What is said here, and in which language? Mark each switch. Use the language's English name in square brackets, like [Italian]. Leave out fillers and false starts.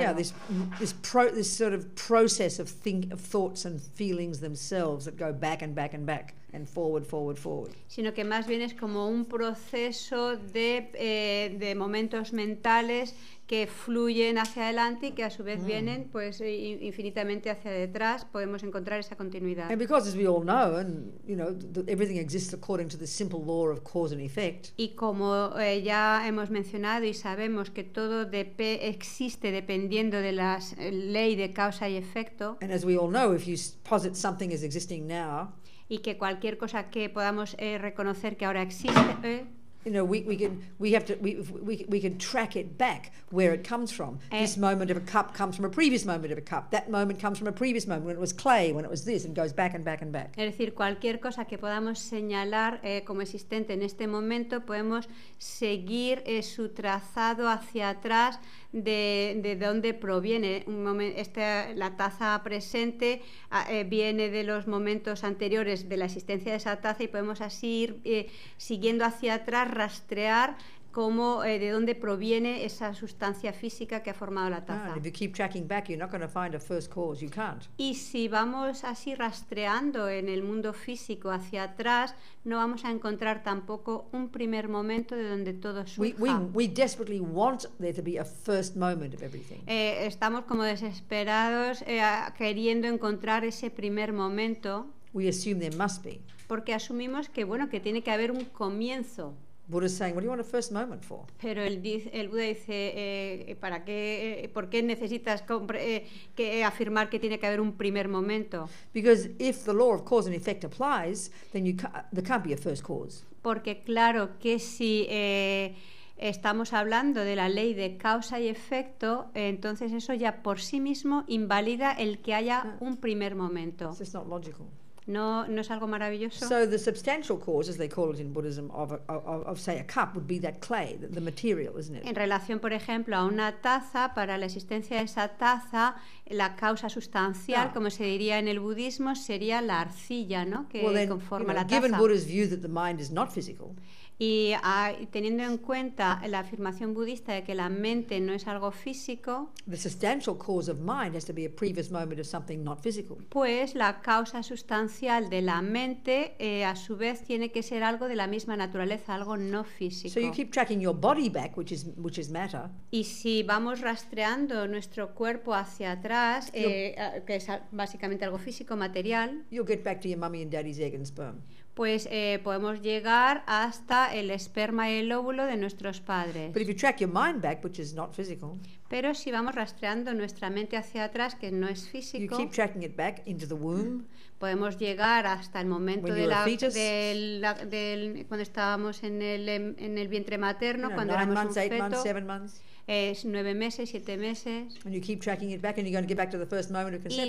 [English] Yeah, this sort of process of thoughts and feelings themselves that go back and back and back and forward, forward, forward. [Spanish] Sino que más bien es como un proceso de momentos mentales que fluyen hacia adelante y que a su vez vienen pues infinitamente hacia detrás. Podemos encontrar esa continuidad. [English] And because, as we all know, and you know, everything exists according to the simple law of cause and effect. [Spanish] Y como ya hemos mencionado y sabemos que todo existe dependiendo de la ley de causa y efecto. [English] And as we all know, if you posit something as existing now. [Spanish] Y que cualquier cosa que podamos reconocer que ahora existe. [English] You know, we can track it back where it comes from. This moment of a cup comes from a previous moment of a cup. That moment comes from a previous moment when it was clay, when it was this, and goes back and back and back. [Spanish] Es decir, cualquier cosa que podamos señalar como existente en este momento, podemos seguir su trazado hacia atrás de dónde proviene. La taza presente viene de los momentos anteriores de la existencia de esa taza, y podemos así ir siguiendo hacia atrás, rastrear cómo, de dónde proviene esa sustancia física que ha formado la taza. [English] If you keep tracking back, you're not going to find a first cause. You can't. [Spanish] Y si vamos así rastreando en el mundo físico hacia atrás, no vamos a encontrar tampoco un primer momento de donde todo surja. [English] We desperately want there to be a first moment of everything. [Spanish] Estamos como desesperados queriendo encontrar ese primer momento. [English] We assume there must be. [Spanish] Porque asumimos que, bueno, que tiene que haber un comienzo. [English] Buddha is saying, what do you want a first moment for? [Spanish] Pero el Buda dice, ¿para qué, por qué necesitas afirmar que tiene que haber un primer momento? [English] Because if the law of cause and effect applies, then there can't be a first cause. [Spanish] Porque claro que si estamos hablando de la ley de causa y efecto, entonces eso ya por sí mismo invalida el que haya un primer momento. [English] It's not logical. [Spanish] No es algo maravilloso. [English] So the substantial cause, as they call it in Buddhism, of say a cup would be that clay, the material, isn't it? [Spanish] En relación, por ejemplo, a una taza, para la existencia de esa taza, la causa sustancial, como se diría en el budismo, sería la arcilla, ¿no? Que conforma la taza. [English] Given Buddha's view that the mind is not physical. [Spanish] Y teniendo en cuenta la afirmación budista de que la mente no es algo físico, [English] the substantial cause of mind has to be a previous moment of something not physical. [Spanish] Pues la causa sustancial de la mente a su vez tiene que ser algo de la misma naturaleza, algo no físico. [English] So you keep tracking your body back, which is matter. [Spanish] Y si vamos rastreando nuestro cuerpo hacia atrás, que es básicamente algo físico, material, [English] you'll get back to your mummy and daddy's egg and sperm. [Spanish] pues podemos llegar hasta el esperma y el óvulo de nuestros padres. [English] But if you track your mind back, which is not physical, [Spanish] pero si vamos rastreando nuestra mente hacia atrás, que no es físico, [English] you keep tracking it back into the womb, [Spanish] podemos llegar hasta el momento [English] when [Spanish] de la, [English] fetus, [Spanish] del cuando estábamos en el vientre materno, [English] you know, [Spanish] cuando éramos [English] months, [Spanish] un feto, [English] 8 months, 7 months. [Spanish] Es 9 meses, 7 meses. [English] And you keep tracking it back, and you're going to get back to the first moment of conception.